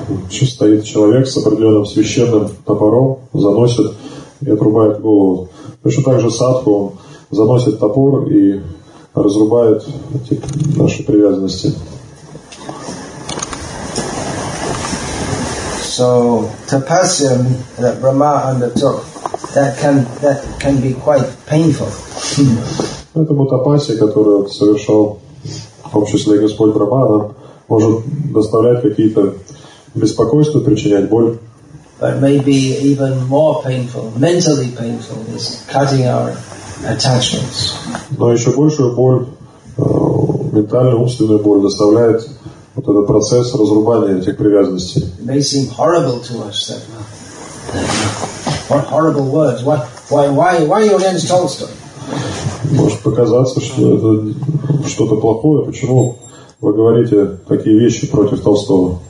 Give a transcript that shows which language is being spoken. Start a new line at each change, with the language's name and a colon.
Russian: Стоит человек с определенным священным топором, заносит и отрубает голову. Точно так же садху заносит топор и разрубает эти наши привязанности.
English: So tapasya that Brahma undertook that can be quite painful.
Russian: Поэтому тапасия, которую совершал в том числе Господь Брахма, она может доставлять какие-то беспокойства, причинять боль.
English: But maybe even more painful, mentally painful, is cutting our attachments.
Russian: Но еще большую боль, ментальную, умственную боль доставляет вот этот процесс разрубания этих привязанностей.
English: It may seem horrible to us that what horrible words? Why are you against Tolstoy?
Russian: Может показаться, что это что-то плохое. Почему вы говорите такие вещи против Толстого?